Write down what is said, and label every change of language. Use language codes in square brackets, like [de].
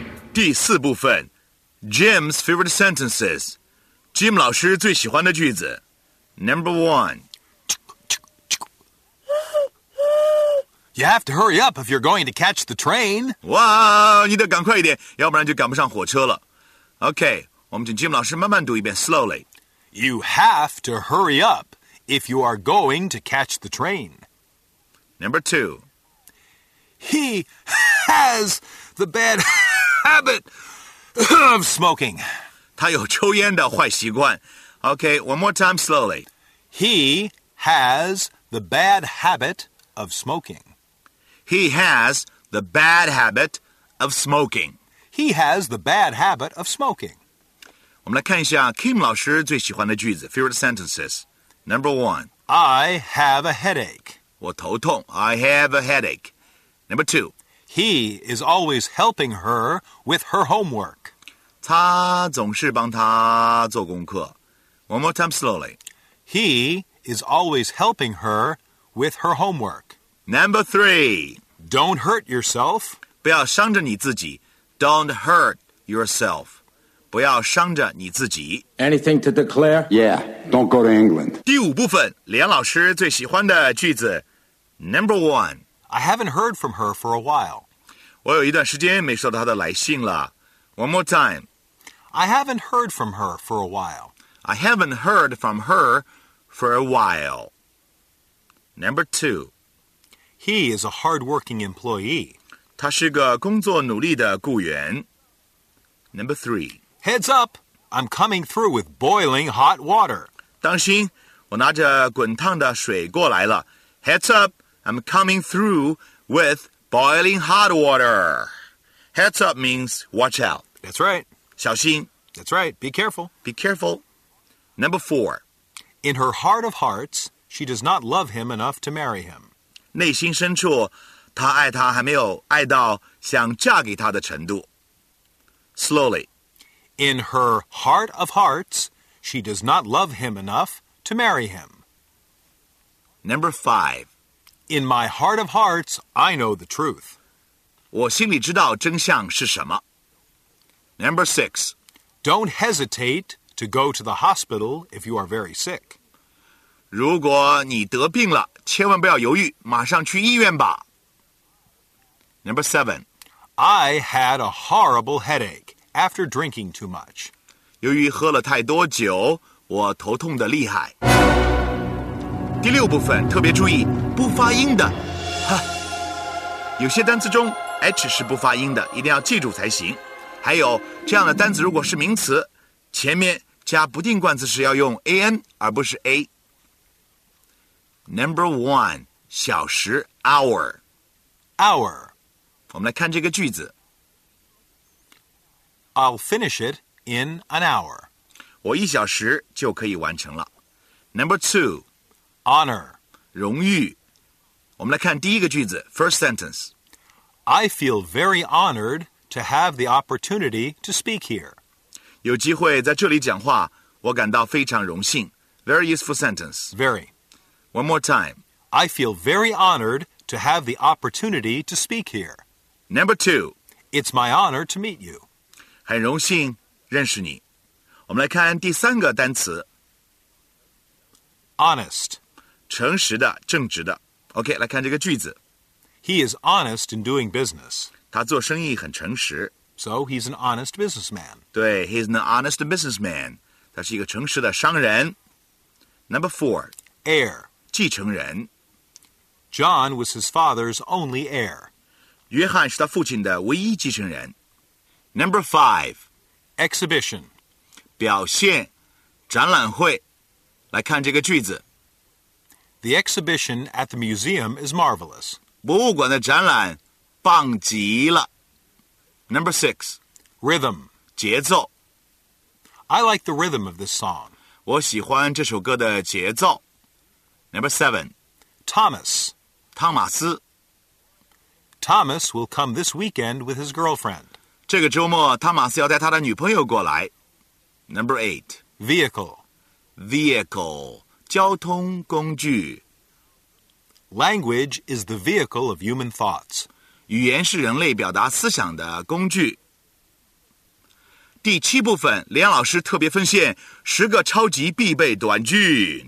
[en] Jim's favorite sentences. [zh] Jim 老师最喜欢的句子 [en] Number 1. You have to hurry up if you're going to catch the train. [zh] 哇，你得赶快一点，要不然就赶不上火车了。 Okay, 我们请 Jim 老师慢慢读一遍 [en] slowly. You have to hurry up if you are going to catch the train. Number 2. He has the bad habit of smoking. [zh] 他有抽烟的坏习惯。 [en] Okay, one more time slowly. He has the bad habit of smoking. He has the bad habit of smoking. He has the bad habit of smoking. [zh] 我们来看一下 Kim 老师最喜欢的句子 [en] favorite sentences. Number 1. I have a headache. [zh] 我头痛。 [en] I have a headache. Number 2. He is always helping her with her homework. [zh] 他总是帮她做功课。 [en] One more time slowly. He is always helping her with her homework. Number 3. Don't hurt yourself. [zh] 不要伤着你自己。 [en] Don't hurt yourself. [zh] 不要伤着你自己。 [en] Anything to declare? Yeah, don't go to England. [zh] 第五部分，连老师最喜欢的句子。 [en] Number 1. I haven't heard from her for a while. [zh] 我有一段时间没收到她的来信了。 [en] One more time. I haven't heard from her for a while. I haven't heard from her for a while. Number 2. He is a hard-working employee. [zh] 他是个工作努力的雇员。 [en] Number 3. Heads up! I'm coming through with boiling hot water. [zh] 当心，我拿着滚烫的水过来了。 [en] Heads up! I'm coming through with boiling hot water. Heads up means watch out. That's right. [zh] 小心。 [en] That's right. Be careful. Be careful. Number 4. In her heart of hearts, she does not love him enough to marry him. [zh] 内心深处，她爱他还没有爱到想嫁给他的程度。 [en] Slowly. In her heart of hearts, she does not love him enough to marry him. Number 5. In my heart of hearts, I know the truth. [zh] 我心里知道真相是什么。 [en] Number 6. Don't hesitate to go to the hospital if you are very sick. [zh] 如果你得病了，千万不要犹豫，马上去医院吧。 [en] Number 7. I had a horrible headache after drinking too much. [zh] 由于喝了太多酒，我头痛得厉害。第六部分特别注意不发音的，有些单词中 H 是不发音的，一定要记住才行。还有这样的单词如果是名词，前面加不定冠词时要用 AN 而不是 A。 [en] Number 1. 小时 Hour Hour， [zh] 我们来看这个句子。 [en] I'll finish it in an hour， [zh] 我一小时就可以完成了。 [en] Number 2. Honor, [zh] 荣誉。我们来看第一个句子 , [en] first sentence. I feel very honored to have the opportunity to speak here. [zh] 有机会在这里讲话，我感到非常荣幸。 [en] Very useful sentence. Very. One more time. I feel very honored to have the opportunity to speak here. Number two. It's my honor to meet you. [zh] 很荣幸认识你。我们来看第三个单词。 [en] Honest, [zh] 诚实的，正直的。OK, 来看这个句子。 [en] He is honest in doing business. [zh] 他做生意很诚实。 [en] So he's an honest businessman. 对 ,he's an honest businessman. [zh] 他是一个诚实的商人。 [en] Number four. Heir, [zh] 继承人。 [en] John was his father's only heir. [zh] 约翰是他父亲的唯一继承人。 [en] Number five. Exhibition, [zh] 表现，展览会。来看这个句子。 [en] The exhibition at the museum is marvelous. [zh] 博物馆的展览棒极了。 [en] Number six. Rhythm. [zh] 节奏。 [en] I like the rhythm of this song. [zh] 我喜欢这首歌的节奏。 [en] Number seven. Thomas. [zh] 汤马斯。 [en] Thomas will come this weekend with his girlfriend. [zh] 这个周末汤马斯要带他的女朋友过来。 [en] Number eight. Vehicle, [zh] 交通工具。 [en] Language is the vehicle of human thoughts. [zh] 语言是人类表达思想的工具。第七部分，连老师特别分线，十个超级必备短句。